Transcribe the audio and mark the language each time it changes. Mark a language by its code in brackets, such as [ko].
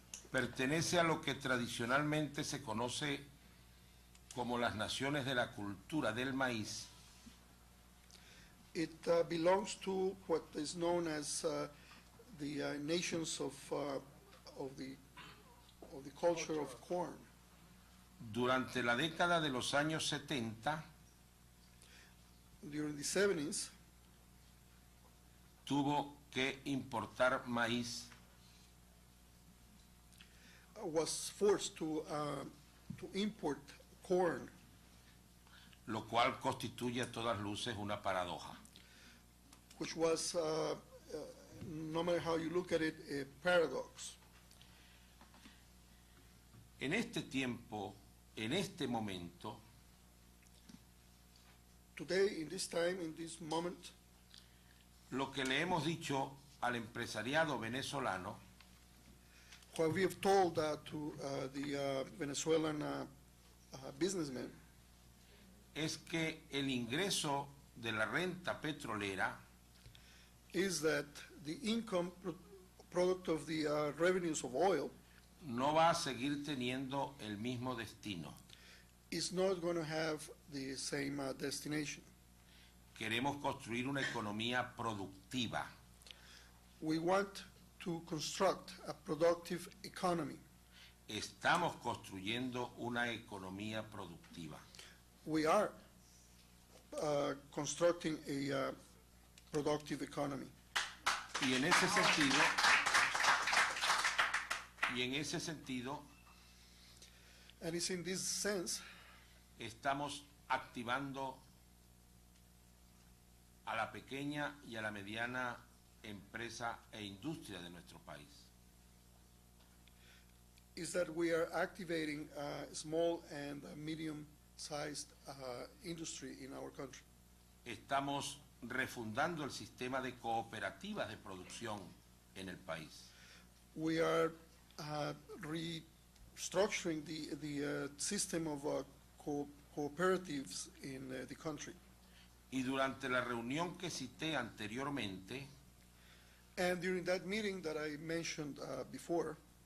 [es] pertenece a lo que tradicionalmente se conoce como las naciones de la cultura del maíz. [en] It belongs to what is known as the nations of the culture of corn. [es] Durante la década de los años 70, [en] during the 70s, [es] tuvo que importar maíz. [en] Was forced to import corn. [es] Lo cual constituye a todas luces una paradoja. [en] Which was, no matter how you look at it, a paradox. [es] En este tiempo, en este momento, [en] today, in this time, in this moment, [es] lo que le hemos dicho al empresariado venezolano, [en] what we have told to the Venezuelan businessmen, [es] es que el ingreso de la renta petrolera [en] is that the income product of the revenues of oil [es] no va a seguir teniendo el mismo destino. [en] Is not going to have the same destination. [es] Queremos construir una economía productiva. [en] We want to construct a productive economy. [es] Estamos construyendo una economía productiva. [en] We are constructing a productive economy. [es] Y en ese sentido, [en] and it's in this sense, [es] estamos activando a la pequeña y a la mediana empresa e industria de nuestro país. [en] Is that we are activating a small and medium-sized industry in our country. [es] Estamos refundando el sistema de cooperativas de producción en el país. [en] We are restructuring the system of cooperatives in the country. [es] Y durante la reunión que cité anteriormente, [en] and during that meeting that I mentioned before,